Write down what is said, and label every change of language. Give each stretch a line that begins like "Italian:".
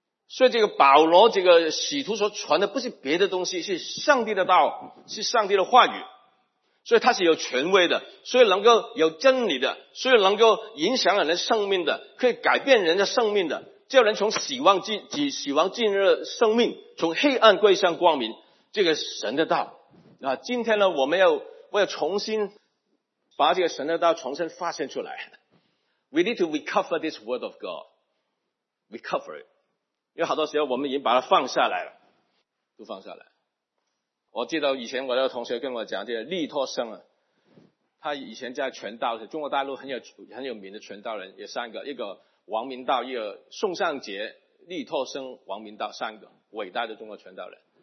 Chinese: 所以这个保罗这个使徒所传的不是别的东西，是上帝的道，是上帝的话语，所以他是有权威的，所以能够有真理的，所以能够影响人的生命的，可以改变人的生命的，叫人从死亡进入生命，从黑暗归向光明，这个神的道。今天呢，我要重新把这个神的道重新发现出来。
English: We need to recover this word of God. Recover it.
Chinese: 因为好多时候我们已经把它放下来了，都放下来。我记得以前我的同学跟我讲，这个利托生啊，他以前在传道，中国大陆很有名的传道人，有三个，一个王明道，一个宋尚杰，利托生、王明道，三个伟大的中国传道人。